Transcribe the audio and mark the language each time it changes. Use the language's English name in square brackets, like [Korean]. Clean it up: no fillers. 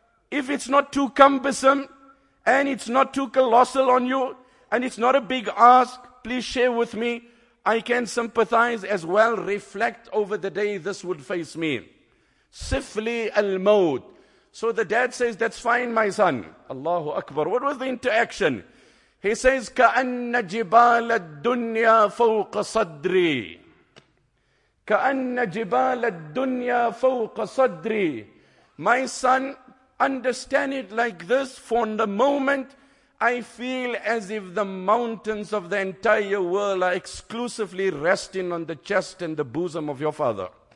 [English] If it's not too cumbersome, and it's not too colossal on you, and it's not a big ask, please share with me. I can sympathize as well, reflect over the day this would face me. [Arabic] Sifli al-maut, [English] So the dad says, that's fine, my son. Allahu Akbar. What was the interaction? [Arabic] He says, كَأَنَّ جِبَالَ الدُّنْيَا فَوْقَ صَدْرِي. كَأَنَّ جِبَالَ الدُّنْيَا فَوْقَ صَدْرِي. [English] My son, understand it like this. For the moment, I feel as if the mountains of the entire world are exclusively resting on the chest and the bosom of your father.